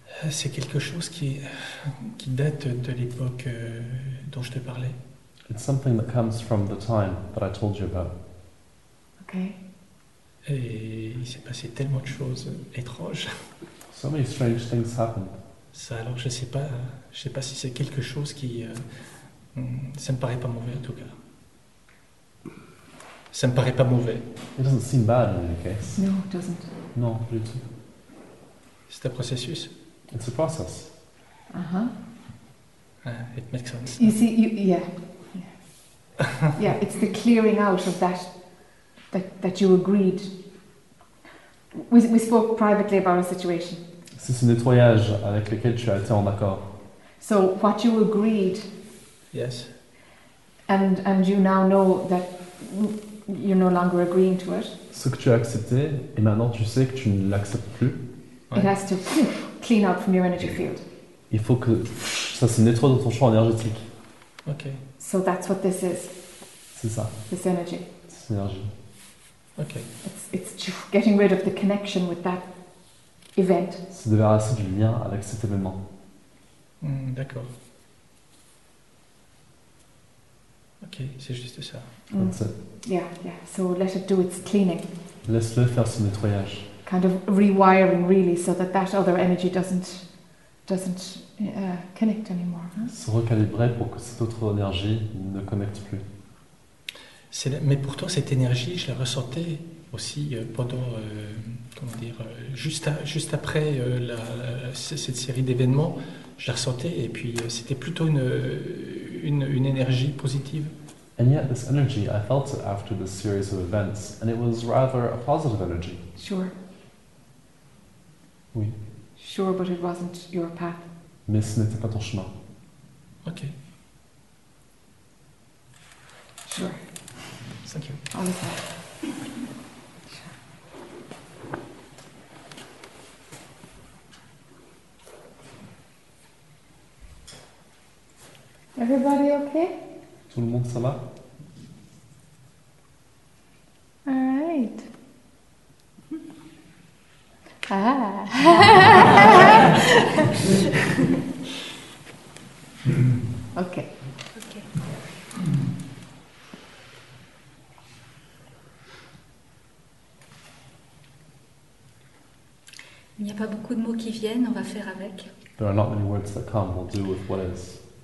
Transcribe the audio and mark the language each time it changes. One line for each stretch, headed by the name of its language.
French: C'est quelque chose qui date de l'époque dont je te parlais.
English: It's something that comes from the time that I told you about. Okay.
French: Et il s'est passé tellement de choses étranges.
English: So many strange things happened.
French: Ça, alors je sais pas si c'est quelque chose qui ça me paraît pas mauvais en tout cas. Ça me paraît pas mauvais.
English: It doesn't seem bad in any case. No, it doesn't.
French: Non, du tout. C'est un processus.
English: It's a process. Uh-huh. It makes sense. You see, yeah, it's the clearing out of that you agreed. We spoke privately about a situation.
French: C'est ce nettoyage avec lequel tu as été en accord.
English: So what you agreed. Yes. And you now know that you're no longer agreeing to it.
French: Ce que tu as accepté, et maintenant tu sais que tu ne l'acceptes plus.
English: Ouais. It has to clean out from your energy field.
French: Il faut que ça se nettoie de ton champ énergétique.
English: Okay. So that's what this is.
French: C'est ça.
English: This energy.
French: C'est l'énergie.
English: Okay. It's getting rid of the connection with that event.
French: Se débarrasser du lien avec cet événement. D'accord. Okay, c'est juste ça.
English: That's it. Yeah. So let it do its cleaning.
French: Laisse-le faire son nettoyage.
English: Kind of rewiring, really, so that other energy doesn't connect anymore. Huh?
French: Se recalibrer pour que cette autre énergie ne connecte plus. Mais pourtant, cette énergie, je la ressentais aussi pendant, comment dire, juste après cette série d'événements, je la ressentais, et puis c'était plutôt une énergie positive.
English: And yet, this energy, I felt it after this series of events, and it was rather a positive energy. Sure.
French: Oui.
English: Sure, but it wasn't your path.
French: Mais ce n'était pas ton chemin.
English: Ok. Sure. Thank you. All the time. Everybody okay?
French: Tout le monde ça va?
English: All right. Ah. Okay.
French: pas beaucoup de mots qui viennent, on va faire avec.
English: There are not many words that come, we'll deal with what is.